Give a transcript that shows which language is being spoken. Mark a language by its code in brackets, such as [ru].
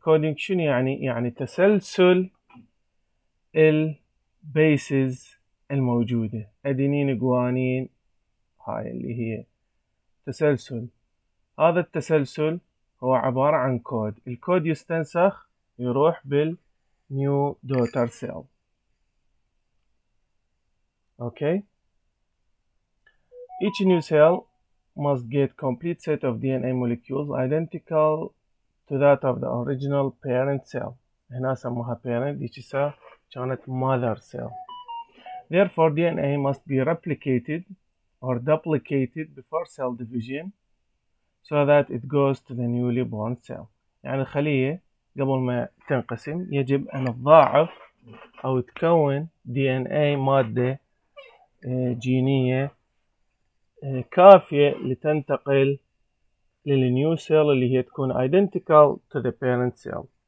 [ar] Coding شنو يعني؟ يعني تسلسل ال bases الموجودة، أدينين جوانين، هاي اللي هي تسلسل. هذا التسلسل هو عبارة عن كود، الكود يستنسخ يروح بال new daughter cell. [en] Okay. Each new cell must get complete set of DNA molecules identical to that of the original parent cell. [ar] هنا سموها parent، ديش سا كانت mother cell. [en] Therefore, DNA must be replicated or duplicated before cell division so that it goes to the newly born cell. [ar] يعني الخلية قبل ما تنقسم يجب أن تضاعف أو تكون DNA مادة جينية كافية لتنتقل للنيو سيل اللي هي تكون identical to the parent cell.